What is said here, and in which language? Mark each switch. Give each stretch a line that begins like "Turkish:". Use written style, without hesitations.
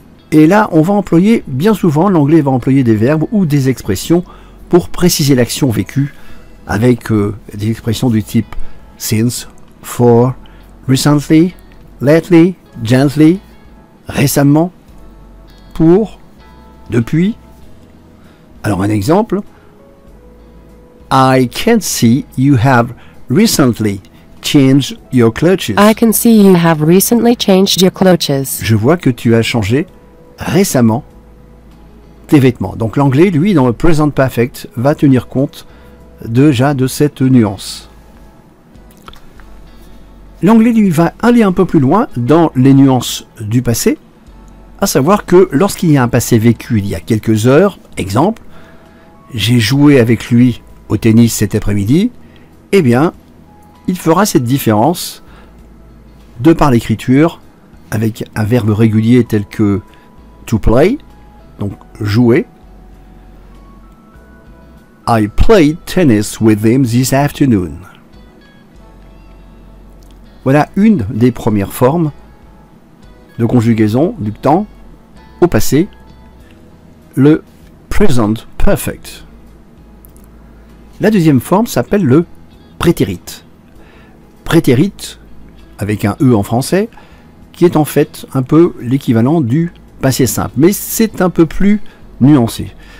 French: Et là, on va employer, bien souvent, l'anglais va employer des verbes ou des expressions pour préciser l'action vécue, avec des expressions du type since, for, recently, lately, gently, récemment, pour, depuis. Alors un exemple,
English: I can see you have recently changed your clutches. I can see you have recently changed your clutches.
French: Je vois que tu as changé récemment tes vêtements. Donc l'anglais, lui, dans le present perfect, va tenir compte déjà de cette nuance. l'anglais lui va aller un peu plus loin dans les nuances du passé, à savoir que lorsqu'il y a un passé vécu il y a quelques heures, exemple, j'ai joué avec lui au tennis cet après-midi, eh bien, il fera cette différence de par l'écriture avec un verbe régulier tel que to play, donc jouer.
English: I played tennis with him this afternoon.
French: Voilà une des premières formes de conjugaison du temps au passé, le present perfect. La deuxième forme s'appelle le prétérit. Prétérit, avec un E en français, qui est en fait un peu l'équivalent du passé simple, mais c'est un peu plus nuancé.